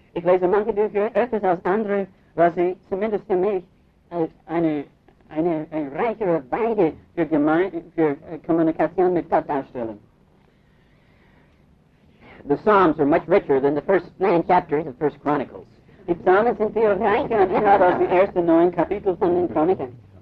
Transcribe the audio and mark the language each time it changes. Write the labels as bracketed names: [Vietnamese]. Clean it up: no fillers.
[German] Ich lese manche Bücher öfters als andere, weil sie zumindest für mich eine reichere Weide für Kommunikation mit Gott darstellen. [English] The Psalms are much richer than the first 9 chapters of 1 Chronicles. [German] Die Psalmen sind viel reicher und mehr als die ersten 9 Kapitel von den Chroniken.